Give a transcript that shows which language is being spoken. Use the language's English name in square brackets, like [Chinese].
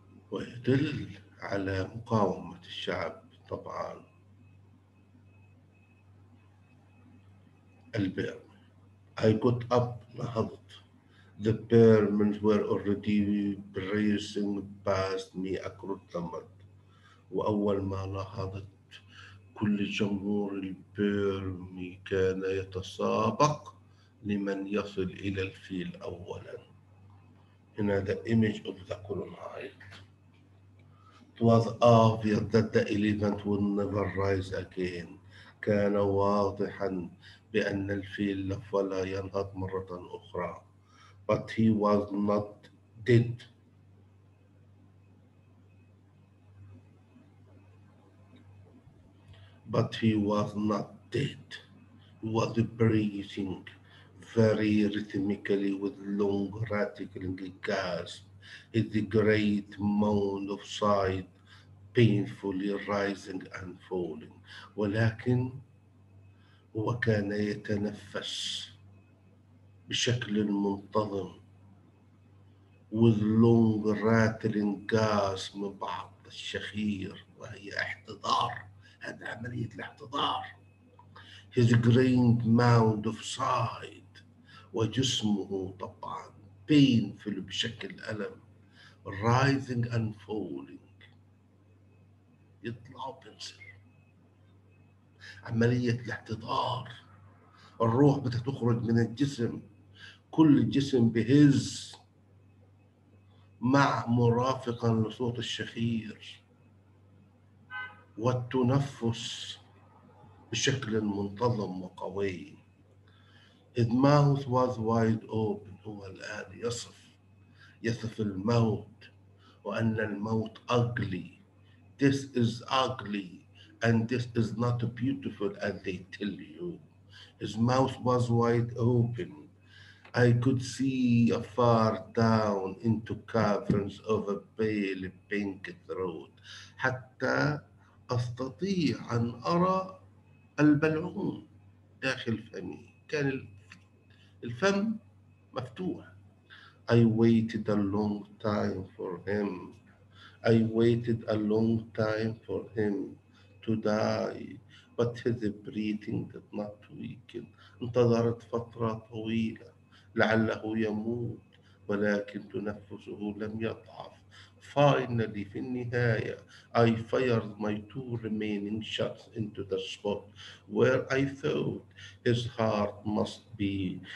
[Arabic] ويدل على مقاومة الشعب طبعا البرمي. [English] I got up, [Arabic] نهضت. [English] The Burmans were already racing past me across the mud. [Arabic] وأول ما لاحظت كل جمهور البيرمي كان يتسابق لمن يصل إلى الفيل أولا. هنا [English] the image of the colonized. It was obvious that the elephant would never rise again. [Arabic] كان واضحا بأن الفيل لف ولا ينهض مرة أخرى. [English] But he was not dead. He was breathing very rhythmically with long rattling gasps. His great mound of side painfully rising and falling. [Arabic] ولكن هو كان يتنفس بشكل منتظم [English] with long rattling gas [Arabic] من بعض الشخير، وهي احتضار، هذا عملية الاحتضار. [English] His great mound of side [Arabic] وجسمه طبعا [English] painful [Arabic] بشكل ألم [English] rising and falling. [Arabic] يطلع وبينزل. عملية الاحتضار. الروح بتخرج من الجسم. كل جسم بهز مع مرافقا لصوت الشخير والتنفس بشكل منتظم وقوي. [English] His mouth was wide open. [Arabic] هو الآن يصف الموت وأن الموت ugly. [English] This is ugly and this is not beautiful as they tell you. His mouth was wide open. I could see afar down into caverns of a pale pink throat. [Arabic] حتى أستطيع أن أرى البلعوم داخل فمي. كان الفم مفتوح. [English] I waited a long time for him. I waited a long time for him to die. But his breathing did not weaken. [Arabic] انتظرت فترة طويلة. لعله يموت ولكن تنفسه لم يضعف. [English] Finally, [Arabic] في النهاية, [English] I fired my two remaining shots into the spot where I thought his heart must be.